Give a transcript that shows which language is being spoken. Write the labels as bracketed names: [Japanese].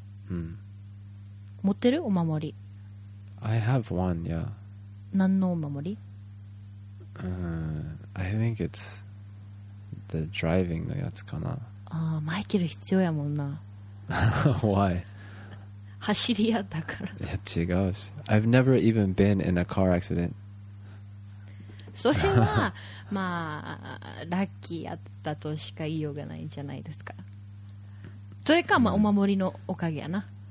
[Japanese] うん、持ってるお守り？ [English] I have one, yeah. [Japanese] 何のお守り？ [English] I think it's the driving [Japanese] のやつかな。あ、マイケル必要やもんな。 [English] Why? [Japanese] 走り屋だから。いや違うし、 [English] I've never even been in a car accident。 [Japanese] それはまあラッキーやったとしか言いようがないんじゃないですか。それか、まあ、お守りのおかげやな。